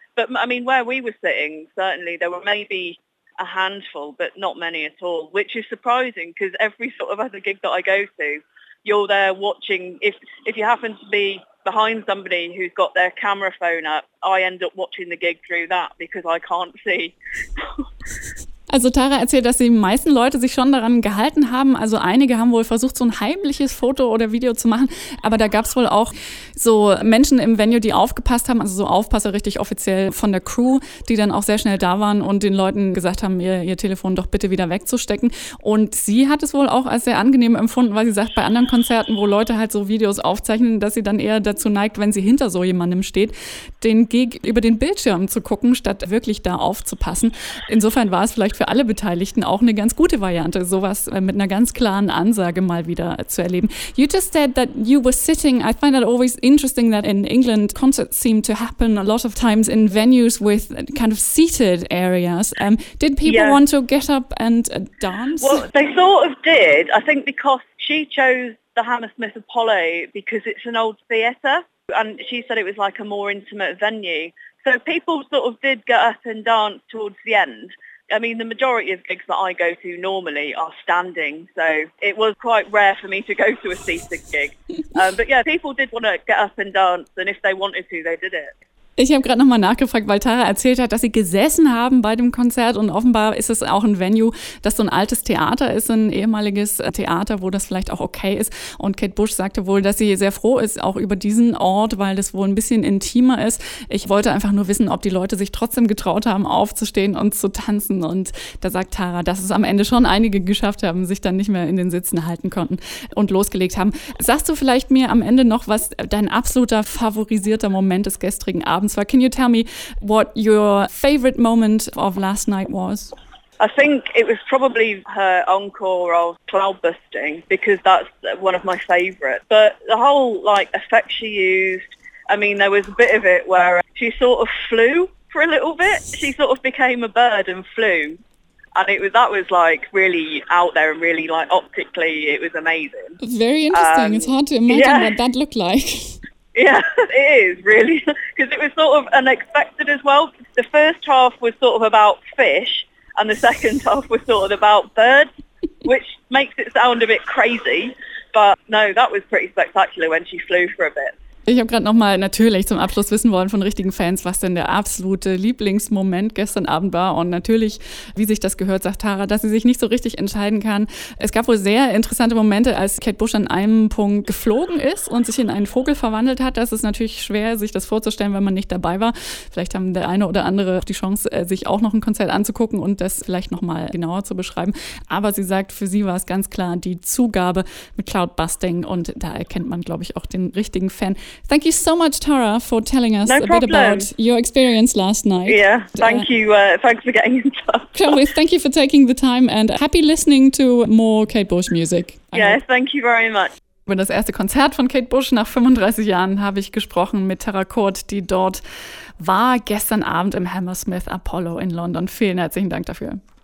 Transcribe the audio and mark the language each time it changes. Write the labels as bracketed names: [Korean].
[English] But I mean, where we were sitting, certainly there were maybe a handful, but not many at all, which is surprising because every sort of other gig that I go to, you're there watching. If you happen to be behind somebody who's got their camera phone up, I end up watching the gig through that because I can't see. [German] Also Tara erzählt, dass die meisten Leute sich schon daran gehalten haben. Also einige haben wohl versucht, so ein heimliches Foto oder Video zu machen. Aber da gab es wohl auch so Menschen im Venue, die aufgepasst haben, also so Aufpasser richtig offiziell von der Crew, die dann auch sehr schnell da waren und den Leuten gesagt haben, ihr Telefon doch bitte wieder wegzustecken. Und sie hat es wohl auch als sehr angenehm empfunden, weil sie sagt, bei anderen Konzerten, wo Leute halt so Videos aufzeichnen, dass sie dann eher dazu neigt, wenn sie hinter so jemandem steht, den Gig über den Bildschirm zu gucken, statt wirklich da aufzupassen. Insofern war es vielleicht für alle Beteiligten auch eine ganz gute Variante, sowas mit einer ganz klaren Ansage mal wieder zu erleben. [English] You just said that you were sitting. I find that always interesting that in England concerts seem to happen a lot of times in venues with kind of seated areas. Did people want to get up and dance? Well, they sort of did. I think because she chose the Hammersmith Apollo because it's an old theatre and she said it was like a more intimate venue. So people sort of did get up and dance towards the end. I mean, the majority of gigs that I go to normally are standing, so it was quite rare for me to go to a seated gig. But yeah, people did want to get up and dance, and if they wanted to, they did it. [German] Ich habe gerade nochmal nachgefragt, weil Tara erzählt hat, dass sie gesessen haben bei dem Konzert und offenbar ist es auch ein Venue, das so ein altes Theater ist, ein ehemaliges Theater, wo das vielleicht auch okay ist. Und Kate Bush sagte wohl, dass sie sehr froh ist auch über diesen Ort, weil das wohl ein bisschen intimer ist. Ich wollte einfach nur wissen, ob die Leute sich trotzdem getraut haben, aufzustehen und zu tanzen. Und da sagt Tara, dass es am Ende schon einige geschafft haben, sich dann nicht mehr in den Sitzen halten konnten und losgelegt haben. Sagst du vielleicht mir am Ende noch, was dein absoluter favorisierter Moment des gestrigen Abends? [English] So can you tell me what your favorite moment of last night was? I think it was probably her encore of Cloud Busting because that's one of my favorites. But the whole like effect she used, I mean, there was a bit of it where she sort of flew for a little bit. She sort of became a bird and flew. And that was like really out there and really like optically, it was amazing. Very interesting. It's hard to imagine what that looked like. Yeah, it is, really, because it was sort of unexpected as well. The first half was sort of about fish, and the second half was sort of about birds, which makes it sound a bit crazy. But no, that was pretty spectacular when she flew for a bit. [German] Ich habe gerade nochmal natürlich zum Abschluss wissen wollen von richtigen Fans, was denn der absolute Lieblingsmoment gestern Abend war. Und natürlich, wie sich das gehört, sagt Tara, dass sie sich nicht so richtig entscheiden kann. Es gab wohl sehr interessante Momente, als Kate Bush an einem Punkt geflogen ist und sich in einen Vogel verwandelt hat. Das ist natürlich schwer, sich das vorzustellen, wenn man nicht dabei war. Vielleicht haben der eine oder andere die Chance, sich auch noch ein Konzert anzugucken und das vielleicht nochmal genauer zu beschreiben. Aber sie sagt, für sie war es ganz klar die Zugabe mit Cloud Busting. Und da erkennt man, glaube ich, auch den richtigen Fan. [English] Thank you so much, Tara, for telling us a bit about your experience last night. Yeah, thank you. Thanks for getting in touch. Chloe, thank you for taking the time and happy listening to more Kate Bush music. Yeah, thank you very much. [German] Über das erste Konzert von Kate Bush nach 35 Jahren habe ich gesprochen mit Tara Kurt, die dort war gestern Abend im Hammersmith Apollo in London. Vielen herzlichen Dank dafür.